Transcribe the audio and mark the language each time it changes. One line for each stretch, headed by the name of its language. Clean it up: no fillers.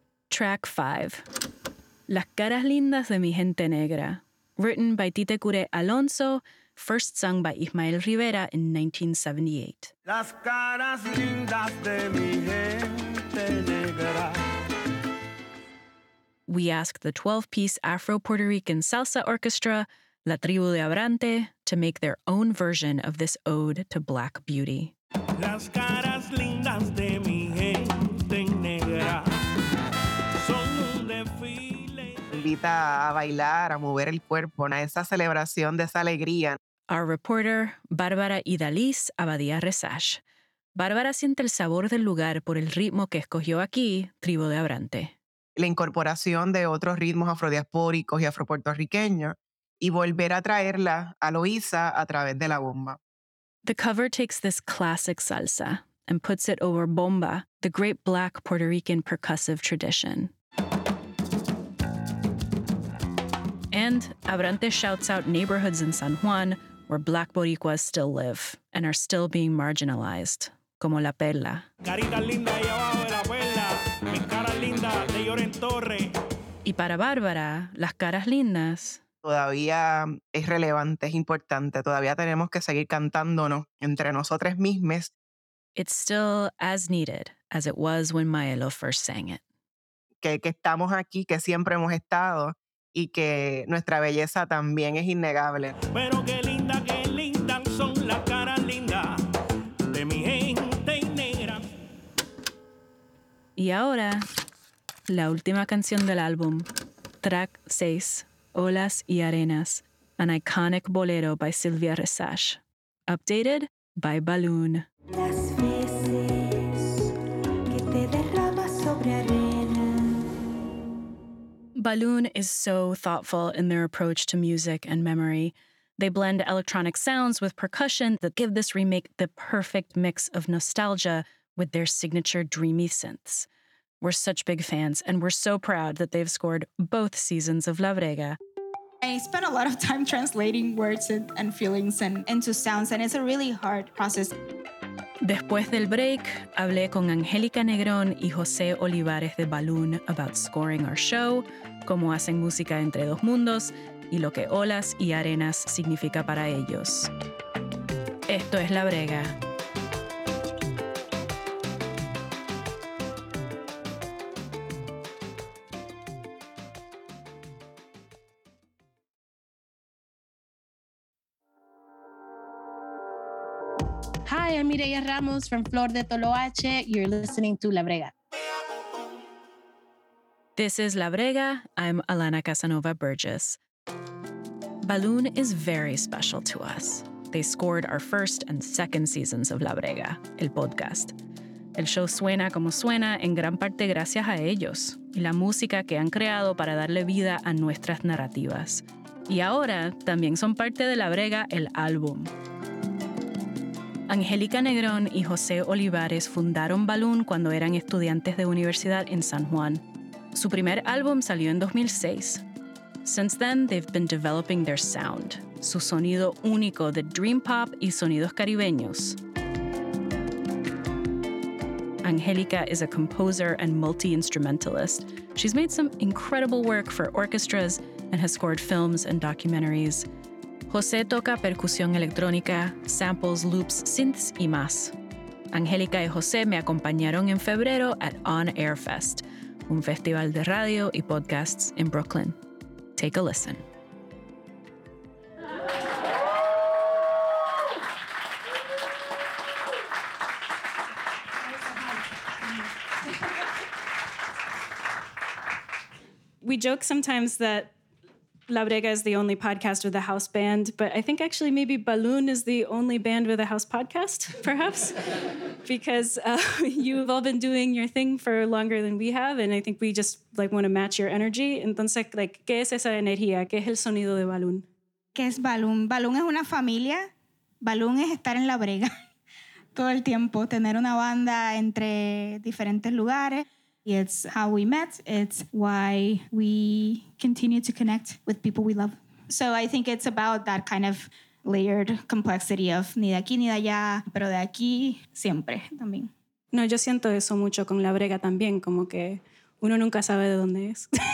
English: Track 5. Las caras lindas de mi gente negra. Written by Tite Curé Alonso, first sung by Ismael Rivera in 1978.
Spanish: Las caras lindas de mi gente negra.
English: We ask the 12-piece Afro-Puerto Rican salsa orchestra, La Tribu de Abrante, to make their own version of this ode to Black beauty.
Spanish: Las caras lindas de mi gente negra son un desfile. Invita a bailar, a mover el cuerpo, a esa celebración de esa alegría.
English: Our reporter, Bárbara Idalis Abadía Resash.
Spanish: Bárbara siente el sabor del lugar por el ritmo que escogió aquí, Tribu de Abrante. La incorporación de otros ritmos afrodiaspóricos y afropuertorriqueños y volver a traerla a Loíza a través de la bomba.
English: The cover takes this classic salsa and puts it over bomba, the great Black Puerto Rican percussive tradition. And Abrante shouts out neighborhoods in San Juan where Black Boricuas still live and are still being marginalized, como La Perla.
Spanish: Carita linda y abajo de la perla, mi cara linda de llora en torre. Y para Bárbara, las caras lindas todavía es relevante, es importante. Todavía tenemos que seguir cantándonos entre nosotras mismas.
English: It's still as needed as it was when Maelo first sang it.
Spanish: Que estamos aquí, que siempre hemos estado y que nuestra belleza también es innegable. Pero qué linda son las caras lindas de mi gente negra. Y ahora, la última canción del álbum, track 6.
English: Olas y Arenas, an iconic bolero by Silvia Resash. Updated by Balloon.
Spanish: Las veces que te derramas sobre arena.
English: Balloon is so thoughtful in their approach to music and memory. They blend electronic sounds with percussion that give this remake the perfect mix of nostalgia with their signature dreamy synths. We're such big fans, and we're so proud that they've scored both seasons of La Brega. I spent a lot of time translating words and feelings and into sounds, and it's a really hard process.
Spanish: Después del break, hablé con Angélica Negrón y José Olivares de Balloon
English: about scoring our show,
Spanish: cómo hacen música entre dos mundos, y lo que olas y arenas significa para ellos. Esto es La Brega.
English: Mireya Ramos from Flor de Toloache. You're listening to La Brega. This is La Brega. I'm Alana Casanova Burgess. Balloon is very special to us. They scored our first and second seasons of La Brega, el podcast.
Spanish: El show suena como suena en gran parte gracias a ellos y la música que han creado para darle vida a nuestras narrativas. Y ahora también son parte de La Brega el álbum. Angélica Negrón y José Olivares fundaron Balloon cuando eran estudiantes de universidad en San Juan. Su primer álbum salió en 2006.
English: Since then, they've been developing their sound,
Spanish: su sonido único de dream pop y sonidos caribeños.
English: Angélica is a composer and multi-instrumentalist. She's made some incredible work for orchestras and has scored films and documentaries.
Spanish: José toca percusión electrónica, samples, loops, synths y más. Angélica y José me acompañaron en febrero at On Air Fest, un festival de radio y podcasts in Brooklyn.
English: Take a listen. We joke sometimes that La Brega is the only podcast with a house band, but I think actually maybe Balloon is the only band with a house podcast, perhaps, because you've all been doing your thing for longer than we have, and I think we just like want to match your energy.
Spanish: Entonces, like, ¿qué es esa energía? ¿Qué es el sonido de Balloon? ¿Qué es Balloon? Balloon es una familia. Balloon es estar en La Brega todo el tiempo, tener una banda entre diferentes lugares.
English: It's how we met. It's why we continue to connect with people we love. So I think it's about that kind of layered complexity of
Spanish: ni de aquí ni de allá, pero de aquí siempre también. No, yo siento eso mucho con La Brega también, como que uno nunca sabe de dónde es.